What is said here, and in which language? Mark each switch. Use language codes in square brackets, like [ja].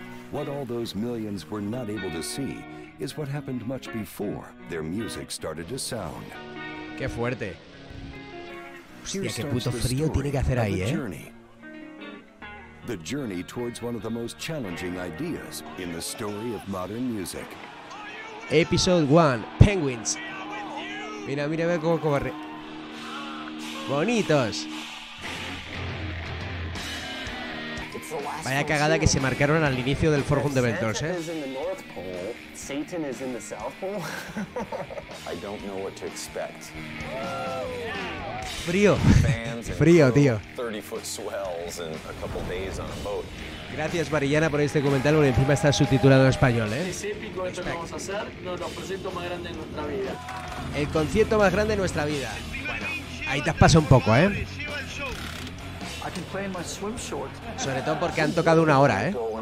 [en] What all those millions were not able to see is what happened much before their music started to sound. [es] ¡Qué fuerte! Hostia, qué puto frío tiene que hacer ahí, ¿eh? [en] The journey towards one of the most challenging ideas in the story of modern music. Episode 1, Penguins. [es] Mira, mira, ve cómo corre. ¡Bonitos! Vaya cagada que se marcaron al inicio del Four Hundred Adventures, ¿eh? [en] Satan is in the South Pole. I don't know what to expect. [es] Frío. Frío, tío. [en] 30-foot swells and a couple days on a boat. [es] Gracias, Marillana, por este comentario. Bueno, encima está subtitulado en español, ¿eh? Es épico esto que vamos a hacer. No, lo presento más grande de nuestra vida. El concierto más grande de nuestra vida. Bueno, ahí te has pasado un poco, ¿eh? [en] I can play in my swim shorts. [es] Sobre todo porque han tocado una hora, ¿eh?